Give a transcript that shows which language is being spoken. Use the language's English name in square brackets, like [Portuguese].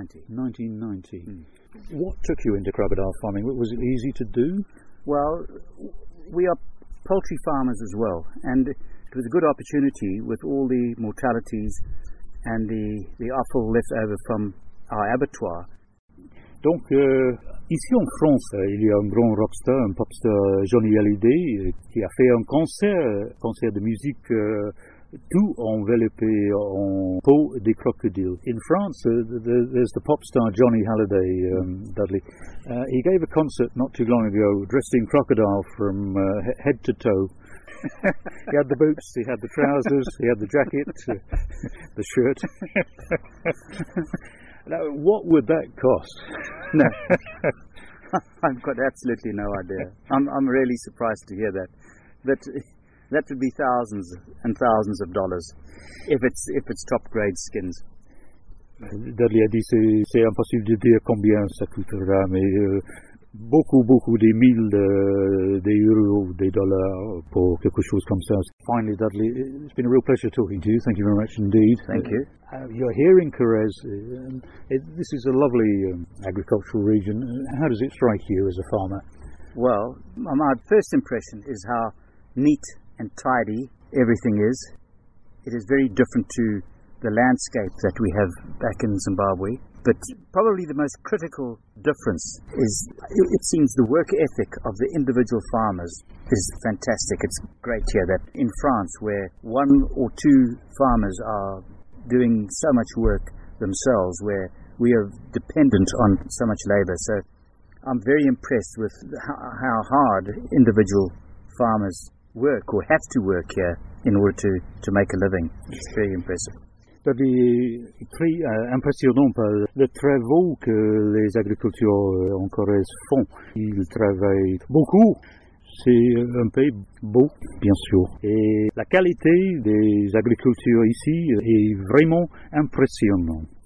[English] 1990. Mm. What took you into crocodile farming? Was it easy to do? Well, we are poultry farmers as well, and it was a good opportunity with all the mortalities and the offal left over from our abattoir. [French] Donc, ici en France, il y a un grand rockstar, un popstar, Johnny Hallyday, qui a fait un concert de musique tout enveloppé en peau de crocodile. [English] In France, there's the popstar Johnny Hallyday, Dudley. He gave a concert not too long ago, dressed in crocodile from head to toe. He had the boots, he had the trousers, he had the jacket, the shirt. Now, what would that cost? No, I've got absolutely no idea. I'm really surprised to hear that. But that would be thousands and thousands of dollars if it's top grade skins. [French] Dudley a dit c'est impossible de dire combien ça coûtera, mais beaucoup des mille des euros, des dollars pour quelque chose comme ça. [English] Finally, Dudley, it's been a real pleasure talking to you. Thank you very much indeed. Thank you. You're here in Corrèze. This is a lovely agricultural region. How does it strike you as a farmer? Well, my first impression is how neat and tidy everything is. It is very different to the landscape that we have back in Zimbabwe. But probably the most critical difference is, it seems, the work ethic of the individual farmers is fantastic. It's great here that in France, where one or two farmers are doing so much work themselves, where we are dependent on so much labor. So I'm very impressed with how hard individual farmers work or have to work here in order to make a living. It's very impressive. [French] C'est très impressionnant par les travaux que les agriculteurs en Corrèze font. Ils travaillent beaucoup. C'est un pays beau, bien sûr. Et la qualité des agricultures ici est vraiment impressionnante.